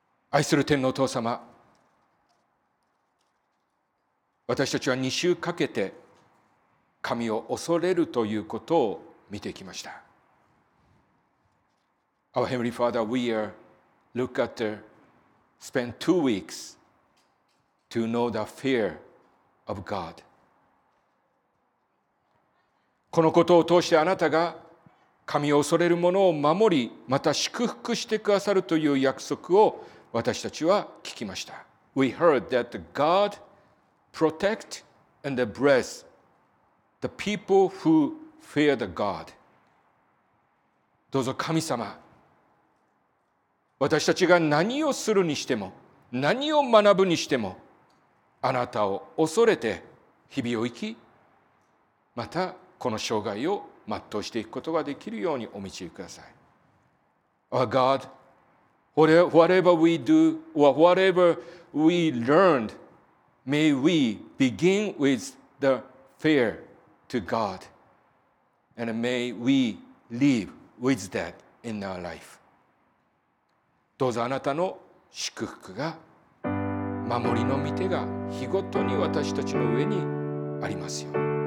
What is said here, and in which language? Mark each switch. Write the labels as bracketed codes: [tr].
[ja] 愛する天のお父様、私たちは2週かけて神を恐れるということを見てきました。 [en] Our Heavenly Father, we are look at the spend 2 weeks to know the fear of God。 [ja] このことを通してあなたが神を恐れる者を守り、また祝福してくださるという約束を私たちは聞きました。 [en] We heard that God protect and bless the people who fear the God。 [ja] どうぞ神様、私たちが何をするにしても、何を学ぶにしても、あなたを恐れて日々を生き、またこの生涯を全うしていくことができるようにお導きください。 [en] Our God, whatever we do or whatever we learned, may we begin with the fear to God and may we live with that in our life。 [ja] どうぞあなたの祝福が、守りの御手が日ごとに私たちの上にありますように。